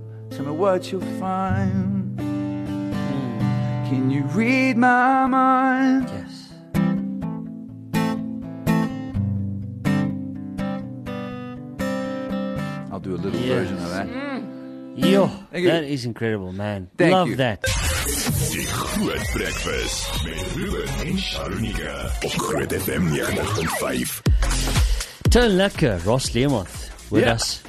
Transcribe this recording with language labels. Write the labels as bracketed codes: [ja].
[en] Tell me what you'll find. Can you read my mind? Yes. I'll do a little version of that. Yo, that is incredible, man. Thank Love you. That. [af] Die Groot Breakfast met Ruben en Sharunika op Groot FM 95.5. Te lekker, [en] Ross Leemoth with us.